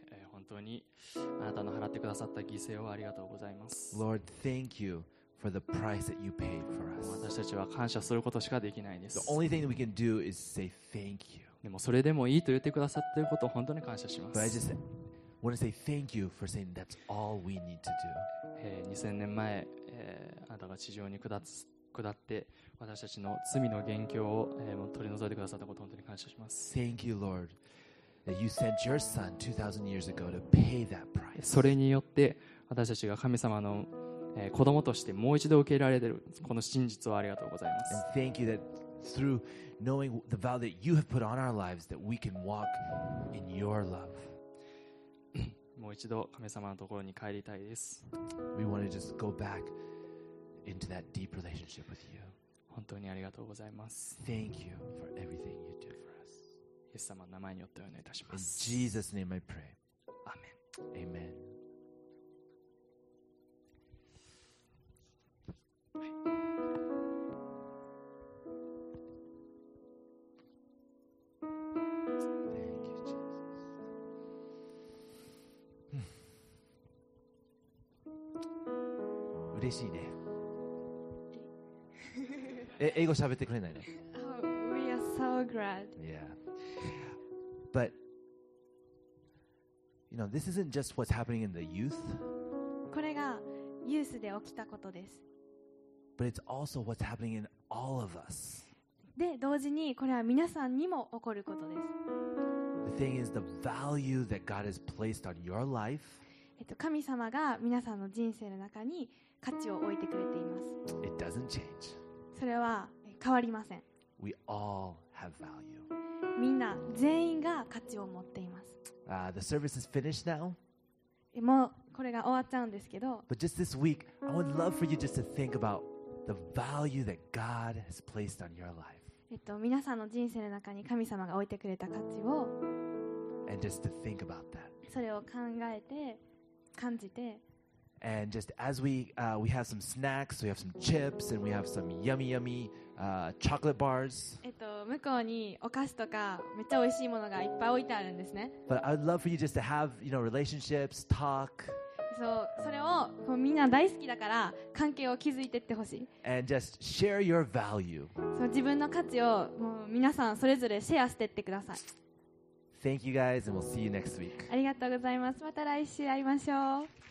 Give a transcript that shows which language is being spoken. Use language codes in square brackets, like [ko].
[ja] 本当にあなたの払ってくださった犠牲をありがとうございます。 [en] Lord, thank you for the price that you paid for us. [ja] 私たちは感謝することしかできないです。 [en] The only thing that we can do is say thank you. [ja] でもそれでもいいと言ってくださっていることを本当に感謝します。 [en] But I just want to say thank you for saying that's all we need to do. [ja] 2000年前、あなたが地上に下って私たちの罪の元凶を取り除いてくださったことを本当に感謝します。 [en] Thank you, Lord, that you sent your son 2,000 years ago to pay that price. [ja] それによって私たちが神様の子供としてもう一度受け入れられているこの真実をありがとうございます。 [en] And thank you that through knowing the vow that you have put on our lives that we can walk in your love. [ja] もう一度神様のところに帰りたいです。 [en] We want to just go back into that deep relationship with you. [ja] 本当にありがとうございます。 [en] Thank you for everything you do for us. [ja] イエス様の名前によってお祈りいたします。 [en] In Jesus' name I pray. Amen. Amen. Thank you, Jesus. [ja] 嬉しいね。英語喋ってくれないね。 [en] Oh, we are so glad. Yeah. But, you know, this isn't just what's happening in the youth. [ja] これがユースで起きたことです。 [en] But it's also what's happening in all of us. [ja] で、同時にこれは皆さんにも起こることです。 [en] The thing is the value that God has placed on your life. [ja] 神様が皆さんの人生の中に価値を置いてくれています。 [en] It doesn't change. [ja] それは変わりません。 [en] We all have value. [ja] みんな全員が価値を持っています。 [en] The service is finished now. [ja] もうこれが終わっちゃうんですけど。 [en] But just this week, I would love for you just to think about the value that God has placed on your life. [ja] 皆さんの人生の中に神様が置いてくれた価値を。 [en] And just to think about that. [ja] それを考えて。感じて。 [en] And just as we have some snacks, we have some chips, and we have some yummy yummy chocolate bars. [ja] 向こうにお菓子とかめっちゃ美味しいものがいっぱい置いてあるんですね。 [en] But I'd love for you just to have, you know, relationships, talk. So, [ja] それをもうみんな大好きだから関係を築いてってほしい。 [en] And just share your value. So, [ja] 自分の価値をもう皆さんそれぞれシェアしてってください。 [en] Thank you guys, and we'll see you next week. [ja] ありがとうございます。また来週会いましょう。